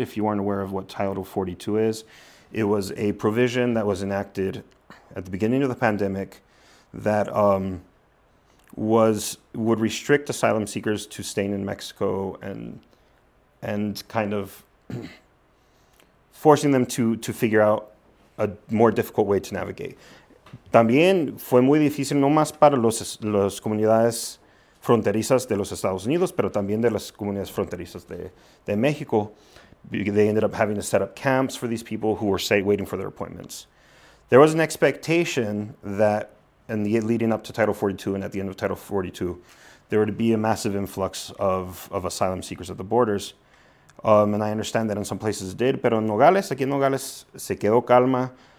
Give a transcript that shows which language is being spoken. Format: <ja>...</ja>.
<en>If you aren't aware of what Title 42 is, it was a provision that was enacted at the beginning of the pandemic that would restrict asylum seekers to staying in Mexico and kind of forcing them to figure out a more difficult way to navigate.</en> <es>También fue muy difícil no más para las comunidades fronterizas de los Estados Unidos, pero también de las comunidades fronterizas de México.</es> <en>They ended up having to set up camps for these people who were waiting for their appointments. There was an expectation that in the leading up to Title 42 and at the end of Title 42, there would be a massive influx of asylum seekers at the borders. And I understand that in some places it did,</en> <es>pero en Nogales, aquí en Nogales, se quedó calma.</es>